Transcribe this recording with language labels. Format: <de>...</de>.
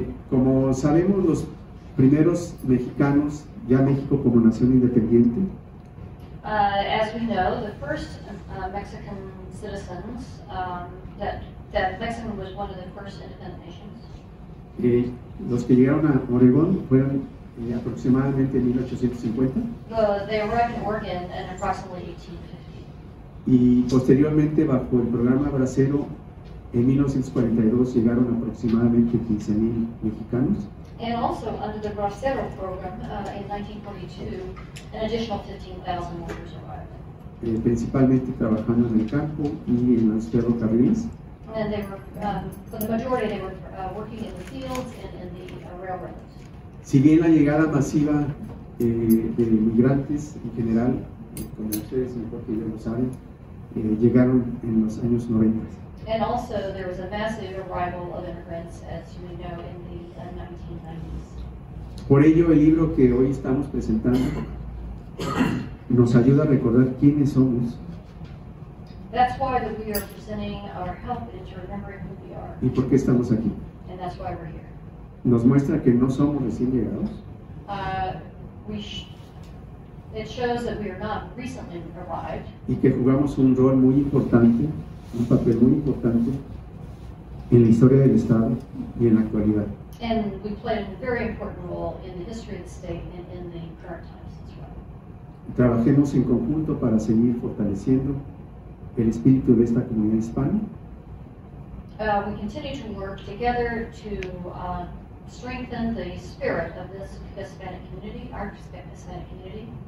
<es>Como sabemos, los primeros mexicanos, ya México como nación independiente,</es> <en>as we know, the first Mexican citizens, that Mexico was one of the first independent nations.</en> <es>Los que llegaron a Oregón fueron aproximadamente en 1850.</es> <en>They arrived in Oregon in approximately 1850.</en> <es>Y posteriormente, bajo el programa Bracero, en 1942 llegaron aproximadamente 15,000 mexicanos.</es> <en>And also under the Bracero program in 1942, an additional 15,000 workers arrived.</en> <es>Principalmente trabajando en el campo y en los ferrocarriles.</es> <en>And they were, for the majority, they were working in the fields and in the railroads.</en> <es>Si bien la llegada masiva de migrantes en general, como ustedes mejor que ya lo saben, llegaron en los años 90.</es> <en>And also there was a massive arrival of immigrants, as you may know, in the 1990s.</en> <es>Por ello, el libro que hoy estamos presentando nos ayuda a recordar quiénes somos.</es> <en>That's why that we are presenting our help into remembering who we are.</en> <es>Y por qué estamos aquí.</es> <en>And that's why we're here.</en> <es>Nos muestra que no somos recién llegados.</es> <en>It shows that we are not recently arrived.</en> <es>Y que jugamos un rol muy importante, un papel muy importante en la historia del estado y en la actualidad.</es> <en>And we played a very important role in the history of the state and in the current times as well.</en> <es>Trabajemos en conjunto para seguir fortaleciendo el espíritu de esta comunidad hispana.</es> <en>We continue to work together to strengthen the spirit of this Hispanic community, our Hispanic community.</en>